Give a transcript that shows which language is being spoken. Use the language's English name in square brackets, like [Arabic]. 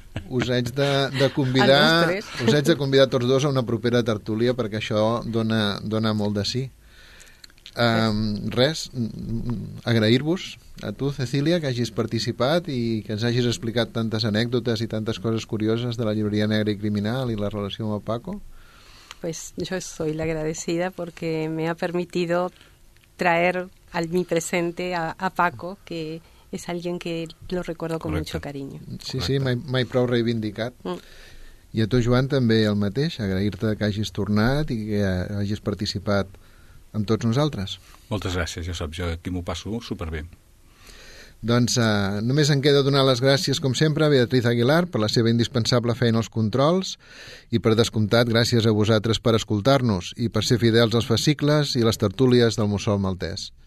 [Catalan] Us haig de convidar tots dos a una propera tertúlia perquè això dona molt de sí. Res, agrair-vos a tu, Cecília, que hagis participat i que ens hagis explicat tantes anècdotes i tantes coses curioses de la llibreria negra i criminal i la relació amb el Paco. [Spanish] Pues yo soy la agradecida porque me ha permitido traer al mi presente a Paco, que es alguien que lo recuerdo con [Catalan] correcte [Spanish] mucho cariño. [Catalan] Sí, correcte, sí, mai prou reivindicat. I a tu, Joan, també el mateix, agrair-te que hagis tornat i que hagis participat amb tots nosaltres. Moltes gràcies, ja saps, jo aquí m'ho passo superbé. Doncs només em queda donar les gràcies, com sempre, a Beatriz Aguilar per la seva indispensable feina als controls i, per descomptat, gràcies a vosaltres per escoltar-nos i per ser fidels als fascicles i les tertúlies del Mussol Maltès.